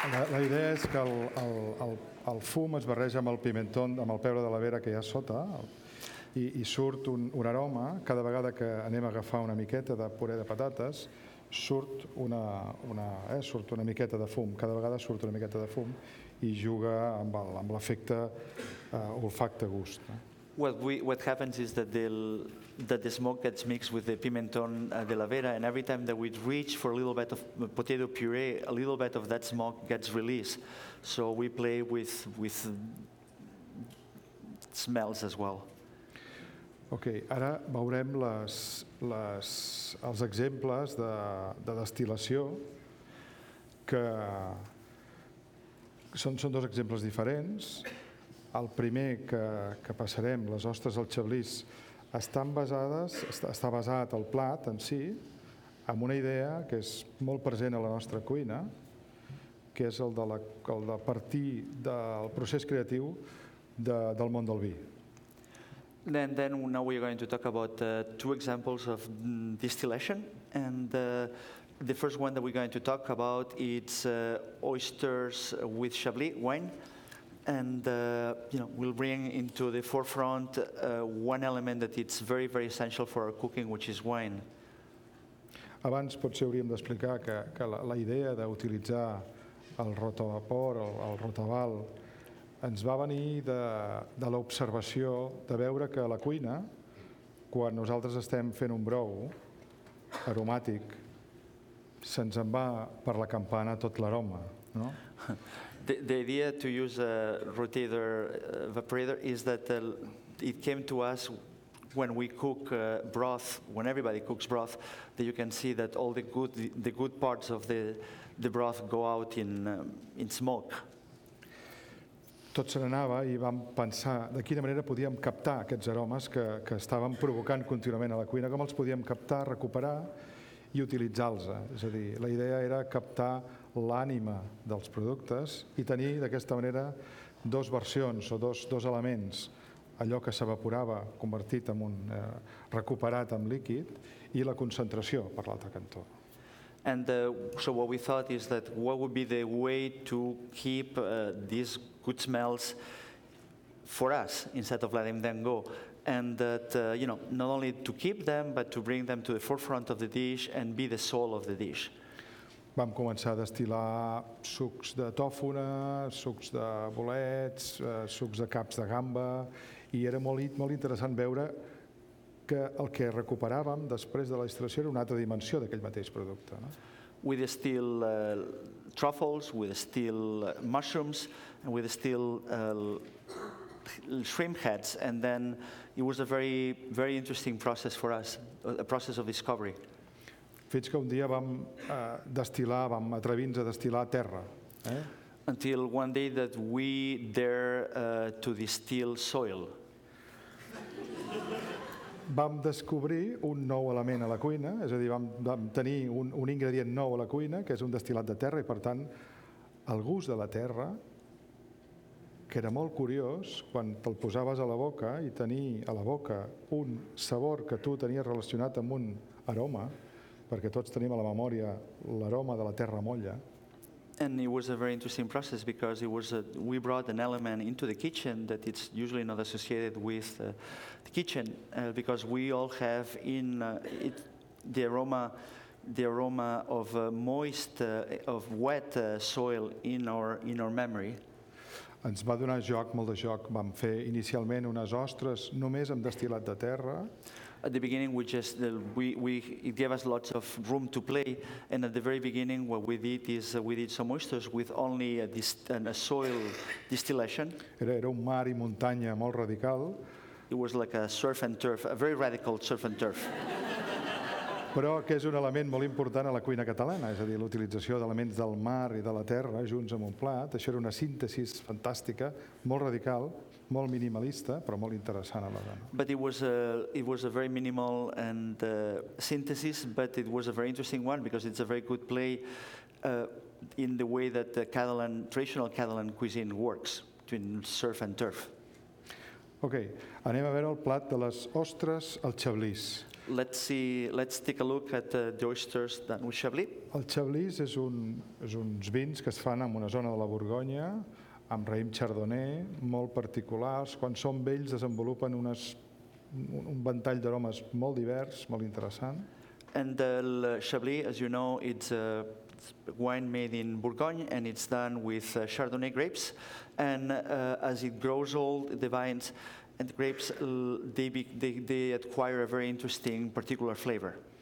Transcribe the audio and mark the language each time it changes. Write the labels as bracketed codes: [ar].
[ca] La idea és que el fum es barreja amb el pimenton, amb el pebre de la Vera que hi ha sota, I surt un aroma cada vegada que anem a agafar una miqueta de puré de patates. Surt una miqueta de fum, cada vegada surt una miqueta de fum I juga amb l'efecte olfacte-gust. [en] What happens is that the smoke gets mixed with the pimenton de la Vera and every time that we reach for a little bit of potato puree, a little bit of that smoke gets released. So we play with smells as well. [ca] Ok, ara veurem els exemples de destil·lació. que són dos exemples diferents. El primer que passarem, les ostres al xablís, estan basades, està basat el plat en si, amb una idea que és molt present a la nostra cuina, que és el de partir del procés creatiu del món del vi. [en] Then now we are going to talk about two examples of distillation, and the first one that we're going to talk about is oysters with Chablis wine, and we'll bring into the forefront one element that it's very very essential for our cooking, which is wine. [ca] Abans potser hauríem d'explicar que la idea d'utilitzar el rotavapor, el rotaval, ens va venir de l'observació de veure que a la cuina, quan nosaltres estem fent un brou aromàtic, se'ns en va per la campana tot l'aroma, no? [en] The idea to use a rotator evaporator is that it came to us when we cook broth, when everybody cooks broth, that you can see that all the good parts of the broth go out in smoke. [ca] Tot se n'anava i vam pensar de quina manera podíem captar aquests aromes que estaven provocant contínuament a la cuina, com els podíem captar, recuperar i utilitzar-los. És a dir, la idea era captar l'ànima dels productes i tenir d'aquesta manera dos versions o dos elements: allò que s'evaporava convertit en un recuperat en líquid i la concentració per l'altre cantó. [en] And so what we thought is that what would be the way to keep these good smells for us instead of letting them go, and that not only to keep them but to bring them to the forefront of the dish and be the soul of the dish. [ca] Vam començar a destilar sucs de tòfona, sucs de bolets, sucs de caps de gamba, i era molt molt interessant veure que el que recuperàvem després de la destil·lació era una altra dimensió d'aquell mateix producte. [en] We distill truffles, we distill mushrooms, and we distill shrimp heads, and then it was a very, very interesting process for us, a process of discovery. [ca] Fins que un dia vam destil·lar, vam atrevir-nos a destil·lar terra. [en] Until one day that we dare to distill soil. [ca] Vam descobrir un nou element a la cuina, és a dir, vam tenir un ingredient nou a la cuina, que és un destil·lat de terra, i per tant, el gust de la terra, que era molt curiós, quan te'l posaves a la boca i tenir a la boca un sabor que tu tenies relacionat amb un aroma, perquè tots tenim a la memòria l'aroma de la terra molla. [en] And it was a very interesting process because we brought an element into the kitchen that it's usually not associated with the kitchen, because we all have in it the aroma of moist of wet soil in our memory. [ca] Ens va donar joc, molt de joc. Vam fer inicialment unes ostres només amb destil·lat de terra. [en] At the beginning, it gave us lots of room to play, and at the very beginning, what we did is we did some oysters with only a soil distillation. [ca] Era un mar i muntanya molt radical. [en] It was like a surf and turf, a very radical surf and turf. [ca] Però que és un element molt important a la cuina catalana, és a dir, l'utilització d'elements del mar i de la terra junts amb un plat. Això era una síntesi fantàstica, molt radical, molt minimalista, però molt interessant a la vegada. [en] But it was a very minimal and synthesis, but it was a very interesting one because it's a very good play in the way that the traditional Catalan cuisine works, between surf and turf. [ca] Okay, anem a veure el plat de les ostres al xablís. [en] Let's take a look at the oysters done with Chablis. [ca] El xablís és uns vins que es fan en una zona de la Borgonya, amb raïm chardonnay, molt particulars. Quan són vells desenvolupen un ventall d'aromes molt divers, molt interessant. [en] And el Chablis, as you know, it's a wine made in Bourgogne and it's done with chardonnay grapes. And as it grows old, the vines and the grapes, they acquire a very interesting particular flavor.